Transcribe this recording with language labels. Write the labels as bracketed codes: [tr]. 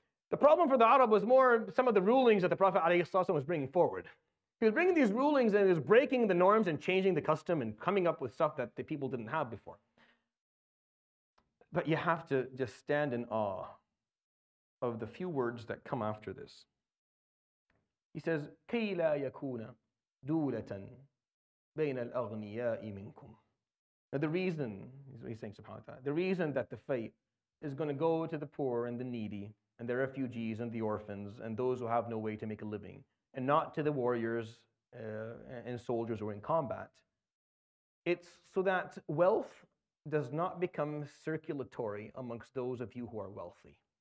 [en] The problem for the Arab was more some of the rulings that the Prophet ﷺ was bringing forward. He was bringing these rulings and he was breaking the norms and changing the custom and coming up with stuff that the people didn't have before. But you have to just stand in awe of the few words that come after this. He says, [ar] كَيْ لَا يَكُونَ دُولَةً بَيْنَ الْأَغْنِيَاءِ مِنْكُمْ. [en] Now the reason, he's saying subhanAllah ta'ala, the reason that the fate is going to go to the poor and the needy and the refugees and the orphans and those who have no way to make a living, and not to the warriors and soldiers who are in combat. It's so that wealth does not become circulatory amongst those of you who are wealthy.